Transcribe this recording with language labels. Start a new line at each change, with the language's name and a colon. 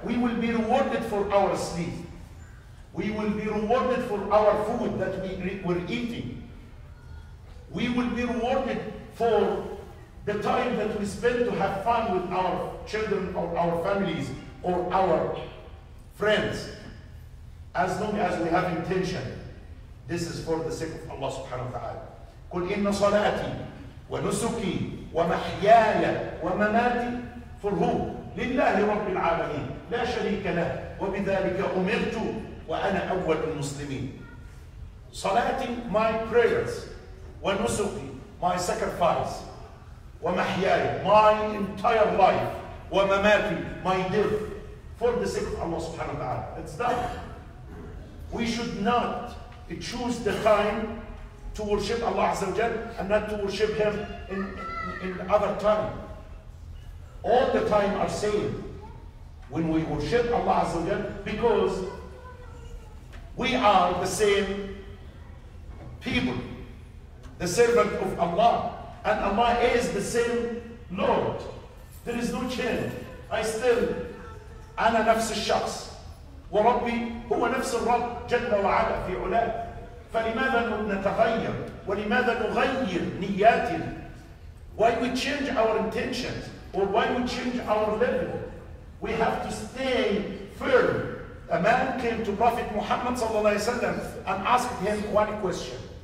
English: We will be rewarded for our sleep. We will be rewarded for our food that we're eating. We will be rewarded for the time that we spend to have fun with our children or our families or our friends. As long as we have intention. This is for the sake of Allah subhanahu wa ta'ala.
Arabic: قُلْ إِنَّ صَلَاتِي وَنُسُكِي وَمَحْيَايَ وَمَمَاتِي
English: For who?
Arabic: لِلَّهِ رَبِّ الْعَالَمِينَ لَا شَرِيكَ لَهُ وَبِذَلِكَ أُمِرْتُ وَأَنَا أَوَّلُ الْمُسْلِمِينَ
English: صَلَاتِي, my prayers, وَنُسُكِي, my sacrifice, وَمَحْيَايَ, my entire life, وَمَمَاتِي, my death, for the sake of Allah subhanahu wa ta'ala. It's done. We should not to choose the time to worship Allah Azza wa Jal and not to worship Him in other time. All the time are same when we worship Allah Azza wa Jal, because we are the same people, the servant of Allah, and Allah is the same Lord. There is no change. I still,
Arabic: أنا نفس الشخص وربي هو نفس الرب جل وعلا في علاه. فلماذا نتغير ولماذا نغير نياتنا؟
English: Why we change our intentions or why we change our level? We have to stay firm. A man came to Prophet Muhammad صلى الله عليه وسلم and asked him one question.